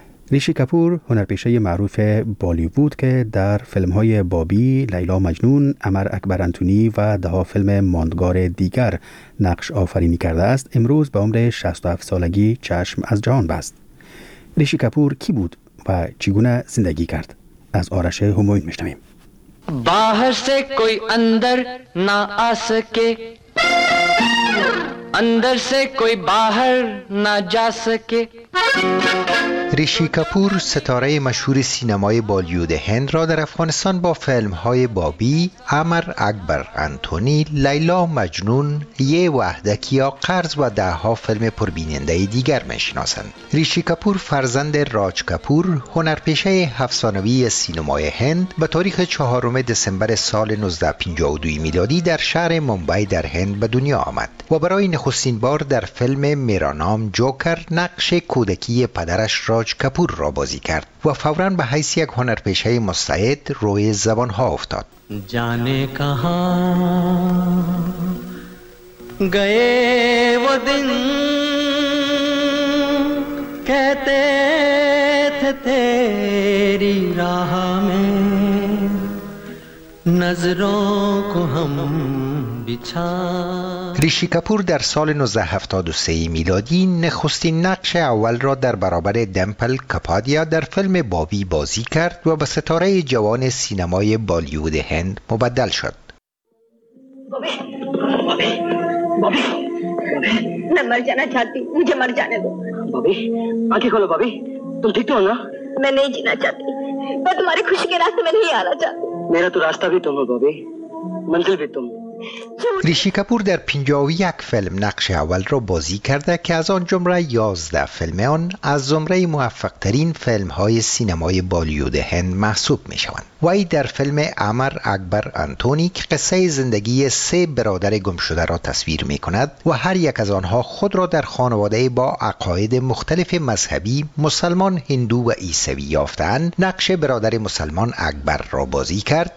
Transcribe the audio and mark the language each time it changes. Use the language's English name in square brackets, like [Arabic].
[Persian] ریشی کپور، هنرپیشه معروف بالیوود که در فیلم‌های بابی، لیلا مجنون، امر اکبر انتونی و ده‌ها فیلم ماندگار دیگر نقش آفرینی کرده است، امروز به عمر 67 سالگی چشم از جهان بست. ریشی کپور کی بود و چگونه زندگی کرد؟ از آرش همایون می‌شنویم. [Urdu] باہر سے کوئی اندر نہ آ سکے، اندر سے کوئی باہر نہ جا سکے. [Persian] ریشی کپور ستاره مشهور سینمای بالیوود هند را در افغانستان با فیلم‌های بابی، امر اکبر انتونی، لیلا مجنون، یه وحدکی یا قرض و ده‌ها فیلم پربیننده دیگر می‌شناسند. ریشی کپور فرزند راج کپور، هنرپیشه افسانه‌ای سینمای هند، به تاریخ 4 دسامبر سال 1952 میلادی در شهر ممبئی در هند به دنیا آمد و برای نخستین بار در فیلم میرانام جوکر نقش کودکی پدرش راج کپور را بازی کرد و فوراً به حیث یک هنرپیشه مستعد روی زبان‌ها افتاد. [Urdu] جانے کہاں گئے وہ دن، کہتے تھے تیری راہ میں نظروں کو ہم بچھا. [Persian] ریشی کپور در سال 1973 میلادی نخستین نقش اول را در برابر دمپل کپادیا در فیلم بابی بازی کرد و به ستاره جوان سینمای بالیوود هند مبدل شد. [Urdu] بابی من مر جانا چاہتی، مجھے مر جانے دو. بابی آنکھیں کھولو. بابی تم ٹھیک تو ہو نا؟ میں نہیں جینا چاہتی، میں تمہاری خوشی کے راستے میں نہیں آنا چاہتی. میرا تو راستہ بھی تم ہو بابی، منزل بھی تم. [Persian] ریشی کپور در 51 فیلم نقش اول را بازی کرده که از آن جمله 11 فیلم آن از زمره موفق ترین فیلم های سینمای بالیوود هند محسوب می شوند. وی در فیلم امر اکبر انتونی که قصه زندگی سه برادر گمشده را تصویر می کند و هر یک از آنها خود را در خانواده با عقاید مختلف مذهبی، مسلمان، هندو و عیسوی یافتند، نقش برادر مسلمان اکبر را بازی کرد.